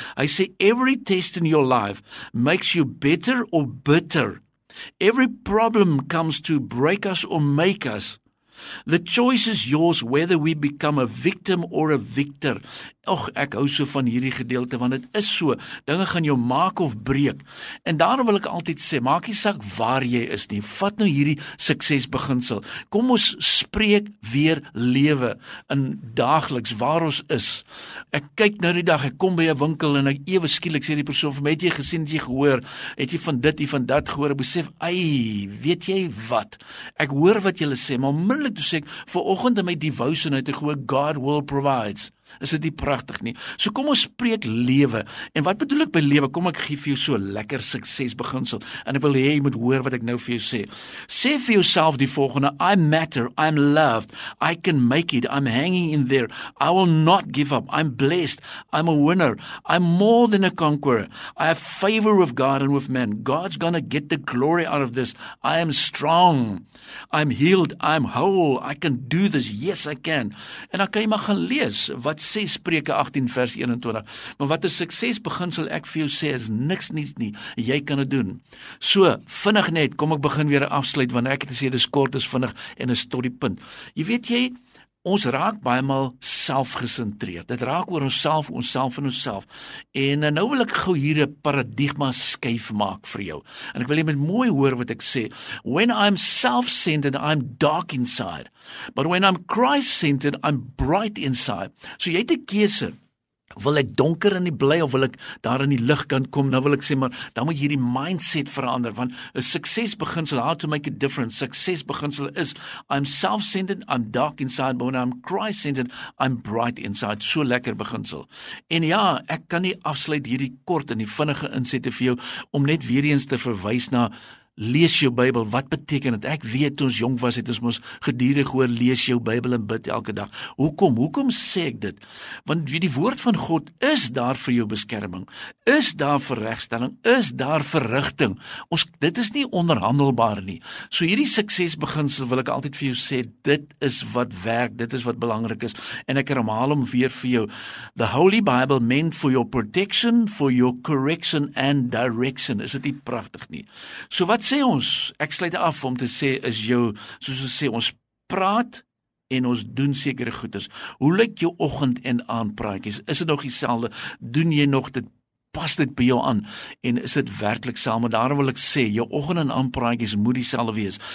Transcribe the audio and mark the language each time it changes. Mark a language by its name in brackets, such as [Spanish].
[Afrikaans] Hy sê, [English] every test in your life makes you better or bitter. Every problem comes to break us or make us. The choice is yours whether we become a victim or a victor. [Afrikaans] Och, ek hou so van hierdie gedeelte, want het is so, dinge gaan jou maak of breek. En daarom wil ek altyd sê, maak nie saak waar jy is nie, vat nou hierdie suksesbeginsel. Kom ons spreek weer lewe in dagliks waar ons is. Ek kyk nou die dag, ek kom by 'n winkel en ek ewe skielik sê die persoon, vir my, het jy gesien, het jy gehoor, het jy van dit, jy van dat gehoor, ek besef, ei, weet jy wat, ek hoor wat jy sê, maar onmiddellik toe sê ek, vir oggend in my devotion uit, ek hoor, [English] God will provides. [Afrikaans] Is dit nie pragtig nie? So kom ons spreek lewe. En wat bedoel ek by lewe? Kom ek gee vir jou so lekker suksesbeginsel. En ek wil hê jy moet hoor wat ek nou vir jou sê. Sê vir jouself die volgende: [English] I matter, I'm loved, I can make it, I'm hanging in there, I will not give up, I'm blessed, I'm a winner, I'm more than a conqueror, I have favor with God and with men, God's gonna get the glory out of this, I am strong, I'm healed, I'm whole, I can do this, yes I can. [Afrikaans] En dan kan jy maar gaan lees wat sê Spreuke 18 vers 21. Maar wat 'n suksesbeginsel ek vir jou sê is niks niets nie. Jy kan dit doen. So, vinnig net, kom ek begin weer afsluit, want ek het gesê dis kort, is vinnig en is tot die punt. Jy weet jy, ons raak baie mal selfgesentreerd. Dit raak oor onsself, onsself en onsself. En nou wil ek gou hier 'n paradigma skuif maak vir jou. En ek wil jy met mooi hoor wat ek sê. [English] When I'm self-centered, I'm dark inside. But when I'm Christ-centered, I'm bright inside. [Afrikaans] So jy het 'n keuse. Wil ek donker in die bly of wil ek daar in die lig kan kom? Nou wil ek sê, maar dan moet jy hierdie mindset verander, want 'n suksesbeginsel, [English] how to make a difference, [Afrikaans] suksesbeginsel is, [English] I'm self-centered, I'm dark inside, but when I'm Christ-centered, I'm bright inside. [Afrikaans] So lekker beginsel. En ja, ek kan nie afsluit hierdie kort en die vinnige insette vir jou, om net weer eens te verwys na, lees jou Bybel, wat beteken dit? Ek weet, toe ons jong was, het ons mos gedurig hoor, lees jou Bybel en bid elke dag. Hoekom? Hoekom sê ek dit? Want die woord van God is daar vir jou beskerming, is daar vir regstelling, is daar vir rigting. Ons, dit is nie onderhandelbaar nie. So hierdie suksesbeginsel wil ek altyd vir jou sê, dit is wat werk, dit is wat belangrik is, en ek herhaal hom weer vir jou. [English] The Holy Bible meant for your protection, for your correction and direction. [Afrikaans] Is dit nie pragtig nie? So wat sê ons? Ek sluit af om te sê, is jou, soos ons sê, ons praat en ons doen sekere goeders. Hoe lyk jou oggend en aandpraatjies? Is dit nog dieselfde? Doen jy nog dit? Pas dit by jou aan? En is dit werklik saam? En daarom wil ek sê, jou oggend en aandpraatjies moet dieselfde wees.